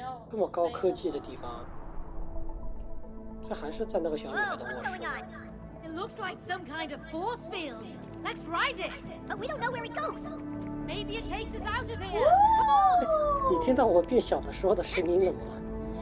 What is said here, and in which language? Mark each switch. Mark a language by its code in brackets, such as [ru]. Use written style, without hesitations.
[zh] 这么高科技的地方，这还是在那个小女孩的卧室。 [en] It looks like some kind of force field. Let's ride it, but we don't know where it goes. Maybe it takes us out of here. Come on! [zh] 你听到我变小的时候的声音了吗？